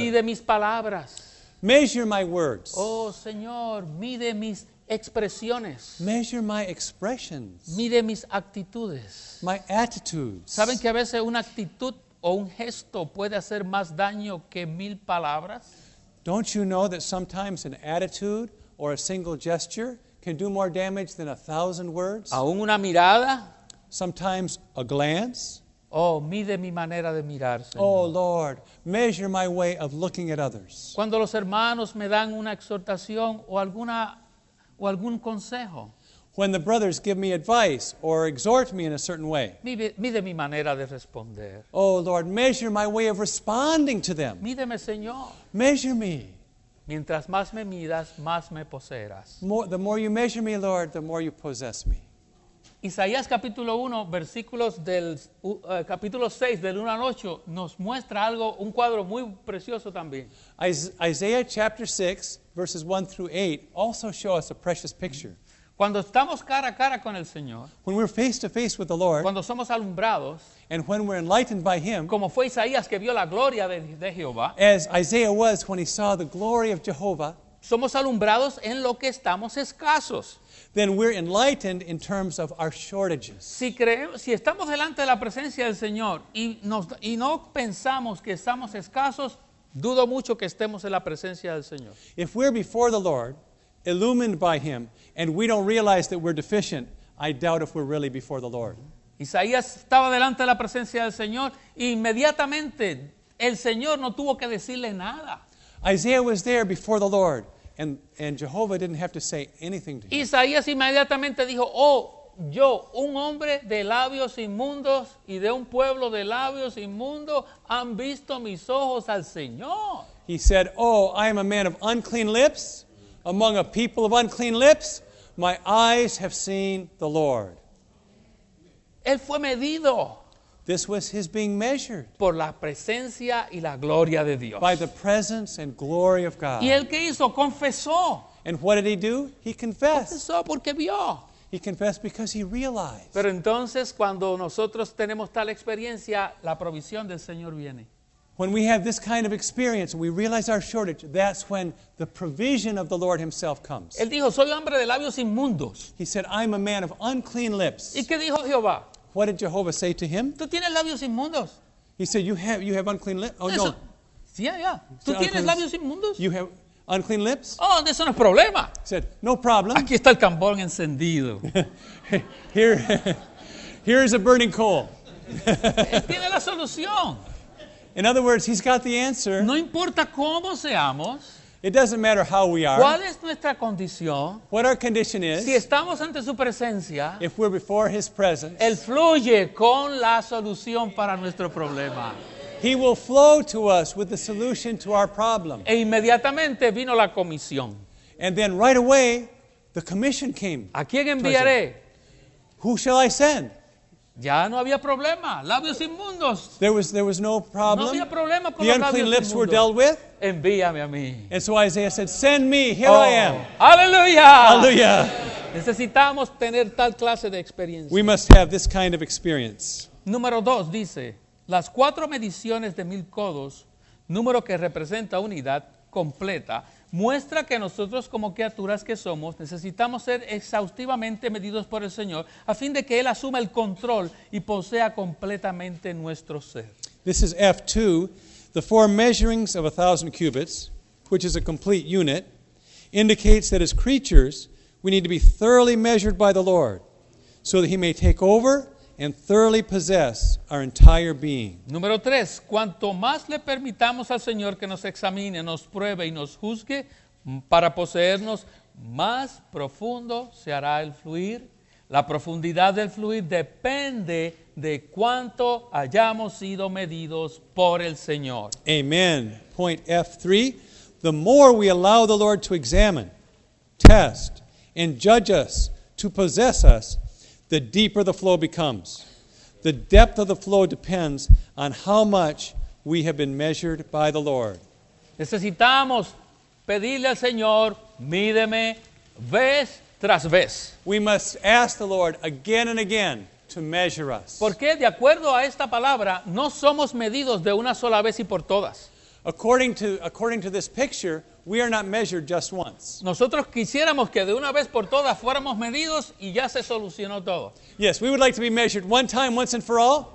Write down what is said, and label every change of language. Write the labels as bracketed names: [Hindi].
[Spanish] Mide mis palabras. [English] Measure my words. [Spanish] Oh Señor, mide mis expresiones. [English] Measure my expressions. [Spanish] Mide mis actitudes. [English] My attitudes. [Spanish] ¿Saben que a veces una actitud o un gesto puede hacer más daño que mil palabras? [English] Don't you know that sometimes an attitude or a single gesture can do more damage than 1,000 words? [Spanish] ¿Aún una mirada? [English] Sometimes a glance. [Spanish] Oh, mide mi manera de mirar, Señor. [English] Oh, Lord, measure my way of looking at others. [Spanish] Cuando los hermanos me dan una exhortación o alguna o algún consejo. [English] When the brothers give me advice or exhort me in a certain way. [Spanish] Mide mi manera de responder. [English] Oh Lord, measure my way of responding to them. [Spanish] Mídeme, Señor. [English] Measure me. [Spanish] Mientras más me midas, más me poseerás. [English] The more you measure me, Lord, the more you possess me. [Spanish] Isaías capítulo 1, versículos del capítulo 6 del 1 al 8 nos muestra algo, un cuadro muy precioso también. [English] Isaiah chapter 6, verses 1 through 8 also show us a precious picture. [Spanish] Cuando estamos cara a cara con el Señor, [English] when we're face to face with the Lord, [Spanish] cuando somos alumbrados, [English] and when we're enlightened by him, [Spanish] como fue Isaías que vio la gloria de Jehová, [English] as Isaiah was when he saw the glory of Jehovah, [Spanish] somos alumbrados en lo que estamos escasos. [English] Then we're enlightened in terms of our shortages. [Spanish] Si estamos delante de la presencia del Señor y no pensamos que estamos escasos, dudo mucho que estemos en la presencia del Señor. [English] If we're before the Lord, illumined by him, and we don't realize that we're deficient, I doubt if we're really before the Lord. [Spanish] Isaías estaba delante de la presencia del Señor y inmediatamente el Señor no tuvo que decirle nada. [English] Isaiah was there before the Lord, and Jehovah didn't have to say anything to him. [Spanish] Isaías inmediatamente dijo, oh, yo, un hombre de labios inmundos y de un pueblo de labios inmundos, han visto mis ojos al Señor. [English] He said, oh, I am a man of unclean lips. Among a people of unclean lips, my eyes have seen the Lord. [Spanish] Él fue medido. [English] This was his being measured. [Spanish] Por la presencia y la gloria de Dios. [English] By the presence and glory of God. [Spanish] ¿Y él qué hizo? Confesó. [English] And what did he do? He confessed. [Spanish] Confesó porque vio. [English] He confessed because he realized. [Spanish] Pero entonces cuando nosotros tenemos tal experiencia, la provisión del Señor viene. [English] When we have this kind of experience, we realize our shortage, that's when the provision of the Lord himself comes. [Spanish] Él dijo, soy hombre de labios inmundos. [English] He said, I'm a man of unclean lips. [Spanish] ¿Y qué dijo Jehová? [English] What did Jehovah say to him? [Spanish] Tú tienes labios inmundos. [English] He said, you have unclean lips. Oh, [Spanish] eso. No. Sí, [English] yeah, yeah. [Spanish] Tú tienes labios inmundos. [English] You have unclean lips. [Spanish] Oh, eso no es problema. [English] He said, no problem. [Spanish] Aquí está el tambor encendido. [English] here is a burning coal. [Spanish] Él tiene la solución. [English] In other words, he's got the answer. [Spanish] No importa cómo seamos. [English] It doesn't matter how we are. [Spanish] ¿Cuál es nuestra condición? [English] What our condition is. [Spanish] Si estamos ante su presencia. [English] If we're before his presence. [Spanish] Él fluye con la solución para nuestro problema. [English] He will flow to us with the solution to our problem. [Spanish] E inmediatamente vino la comisión. [English] And then right away, The commission came. [Spanish] ¿A quién enviaré? [English] Who shall I send? [Spanish] Ya no había problema. Labios inmundos. [English] There was no problem. [Spanish] No había problema con [English] the unclean lips [Spanish] inmundos. [English] Were dealt with. [Spanish] Envíame a mí. [English] And so Isaiah said, send me, here I am. [Spanish] Aleluya. Aleluya. Necesitamos tener tal clase de experiencia. [English] We must have this kind of experience. [Spanish] Número dos dice, las cuatro mediciones de mil codos, número que representa unidad completa, muestra que nosotros como criaturas que somos necesitamos ser exhaustivamente medidos por el Señor a fin de que Él asuma el control y posea completamente nuestro ser. [English] This is F2, the four measurings of 1,000 cubits, which is a complete unit, indicates that as creatures we need to be thoroughly measured by the Lord so that He may take over and thoroughly possess our entire being. [Spanish] Número tres, cuanto más le permitamos al Señor que nos examine, nos pruebe y nos juzgue para poseernos, más profundo se hará el fluir. La profundidad del fluir depende de cuánto hayamos sido medidos por el Señor. Amen. [English] Point F3, the more we allow the Lord to examine, test, and judge us, to possess us, the deeper the flow becomes. The depth of the flow depends on how much we have been measured by the Lord. [Spanish] Necesitamos pedirle al Señor, mídeme vez tras vez. [English] We must ask the Lord again and again to measure us. [Spanish] Porque de acuerdo a esta palabra, no somos medidos de una sola vez y por todas. [English] According to this picture, we are not measured just once. [Spanish] Nosotros quisiéramos que de una vez por todas fuéramos medidos y ya se solucionó todo. [English] Yes, we would like to be measured one time, once and for all.